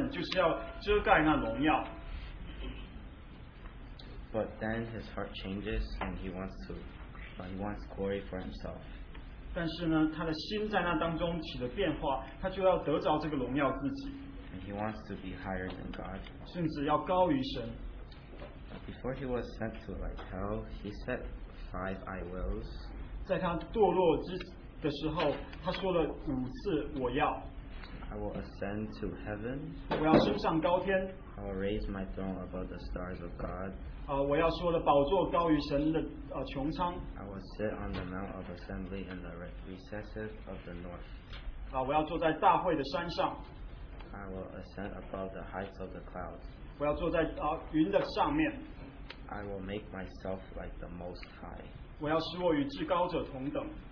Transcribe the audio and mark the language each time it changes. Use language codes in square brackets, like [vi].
[zh] 他有一个很重要的职分，就是要遮盖那荣耀。 [en] But then his heart changes, and he wants glory for himself. [zh] 但是呢，他的心在那当中起了变化，他就要得着这个荣耀自己。 [en] And he wants to be higher than God. [zh] 甚至要高于神。 [en] But before he was sent to like hell, he said five I wills. [zh] 在他堕落之的时候，他说了五次我要。 [en] I will ascend to heaven. [zh] 我要升上高天。 [en] I will raise my throne above the stars of God. [zh] 我要说的宝座高于神的穹苍。 [en] I will sit on the mount of assembly in the recesses of the north. [zh] 我要坐在大会的山上。 [en] I will ascend above the heights of the clouds. [zh] 我要坐在云的上面。 [en] I will make myself like the Most High. [zh] 我要使我与至高者同等。